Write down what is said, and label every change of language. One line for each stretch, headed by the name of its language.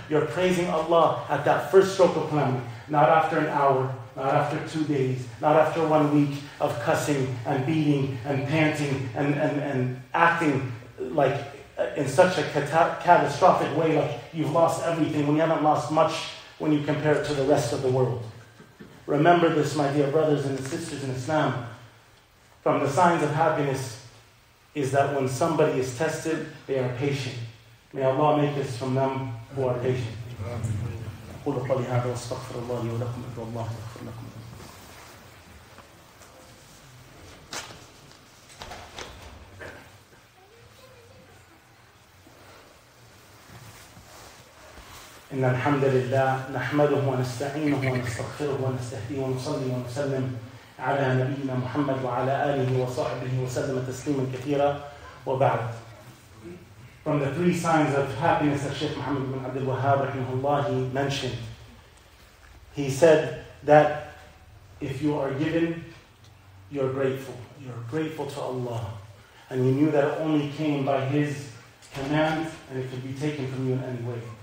English: You're praising Allah at that first stroke of calamity. Not after an hour, not after 2 days, not after 1 week of cussing and beating and panting and acting like in such a catastrophic way, like you've lost everything, when you haven't lost much when you compare it to the rest of the world. Remember this, my dear brothers and sisters in Islam. From the signs of happiness is that when somebody is tested, they are patient. May Allah make this from them who are patient.
Arabic: قل قولي هذا واستغفر الله لي ولكم ادعو الله يغفر لكم. ان الحمد لله نحمده ونستعينه ونستغفره ونستهديه ونصلي ونسلم على نبينا محمد وعلى اله وصحبه وسلم تسليما كثيرا وبعد.
English: From the three signs of happiness that Sheikh Muhammad ibn Abdul Wahhab rahimahullah mentioned, he said that if you are given, you're grateful. You're grateful to Allah. And you knew that it only came by His command and it could be taken from you in any way.